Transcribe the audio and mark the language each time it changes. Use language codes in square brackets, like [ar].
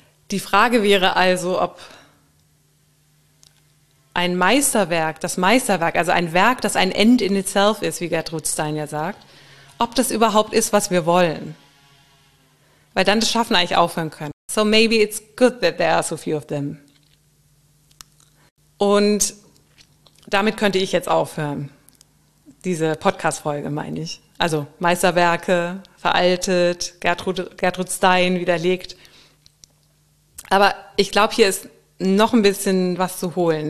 [de] Die Frage wäre also, ob ein Meisterwerk, das Meisterwerk, also ein Werk, das ein [en] End in itself [de] ist, wie Gertrud Stein ja sagt, ob das überhaupt ist, was wir wollen. Weil dann das Schaffen eigentlich aufhören können. [en] So maybe it's good that there are so few of them. [de] Und damit könnte ich jetzt aufhören. Diese Podcast-Folge, meine ich. Also Meisterwerke, veraltet, Gertrud Stein widerlegt. Aber ich glaube, hier ist noch ein bisschen was zu holen.